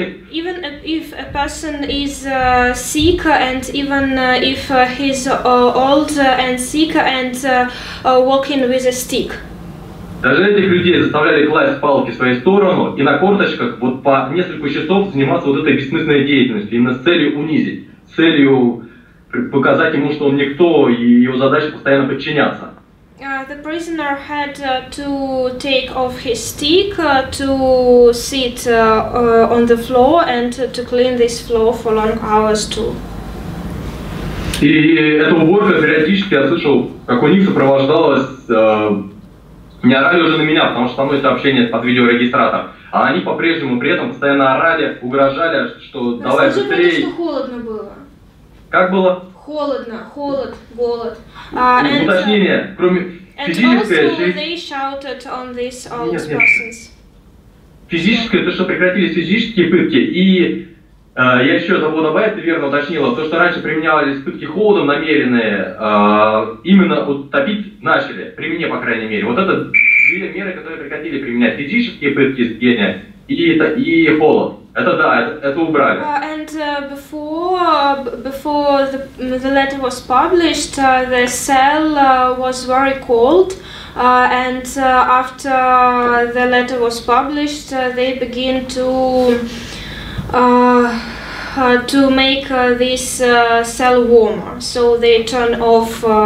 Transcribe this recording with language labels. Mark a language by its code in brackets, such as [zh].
[en] Even if a person is sick, and even if he's old and sick and walking with a stick. [ru] Даже этих людей заставляли класть палки в свою сторону и на корточках вот по несколько часов заниматься вот этой бессмысленной деятельностью, именно с целью унизить, с целью показать ему, что он никто, и его задача постоянно подчиняться. [en] The prisoner had to take off his stick to sit on the floor and to clean this floor for long hours too. [ru] И эта уборка периодически, я слышал, как у них сопровождалось, не орали уже на меня, потому что со мной это общение под видеорегистратор. А они по-прежнему при этом постоянно орали, угрожали, что давай скажи быстрее. Скажи мне, что холодно было. Как было? Холодно, холод, голод. Уточнение, кроме физической... [en] And also they shouted on these old persons. [ru] Физическое, то, что прекратились физические пытки и... Я еще забыл добавить, ты верно уточнила, то, что раньше применялись пытки холодом намеренные, именно вот топить начали, при мне, по крайней мере. Вот это две меры, которые прекратили применять, физические пытки с гения и холод. Это да, это убрали. [en] And before the letter was published, the cell was very cold. And after the letter was published, they began to... to make this cell warmer, so they turn off